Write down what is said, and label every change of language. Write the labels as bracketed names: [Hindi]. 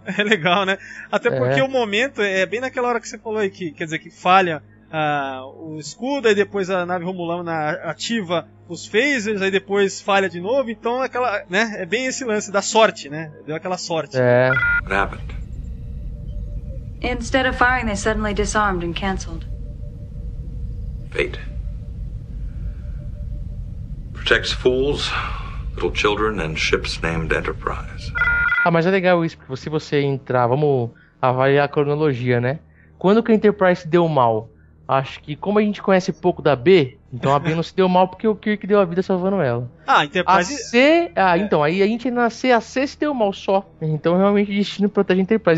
[Portuguese] É legal, né? Até porque o momento é bem naquela hora que você falou aí, que quer dizer, que falha o escudo, aí depois a nave Romulana ativa os phasers, aí depois falha de novo, então aquela, né, é bem esse lance da sorte, né? Deu aquela sorte. É. [English] Instead of firing, they suddenly disarmed and canceled. Fate. Protects fools, little children, and ships named Enterprise. [Portuguese] Ah, mas é legal isso, porque se você entrar, vamos avaliar a cronologia, né? Quando que a Enterprise deu mal? Acho que, como a gente conhece pouco da B, então a B não se deu mal porque o Kirk deu a vida salvando ela. Ah, a Enterprise... A C... então, aí a gente nasce, a C se deu mal só. Então, realmente, o destino protege a Enterprise.